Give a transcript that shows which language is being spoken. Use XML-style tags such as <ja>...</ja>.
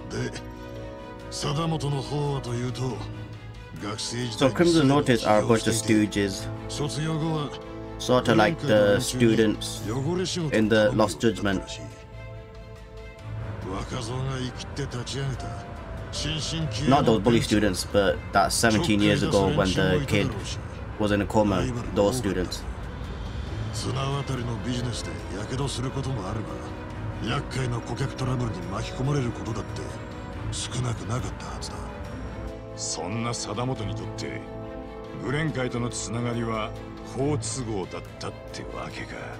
<ja>で、貞本の方はというと学生時代に通っていて、卒業後は</ja> <en>sort of like the students in the Lost Judgment。</en> <ja>若造が生きて立ち上げた。</ja> <en>Not those bully students, but that 17 years ago when the kid was in a coma, those students.</en> <ja>そんな貞本にとって、グレン会とのつながりは好都合だったってわけか。</ja>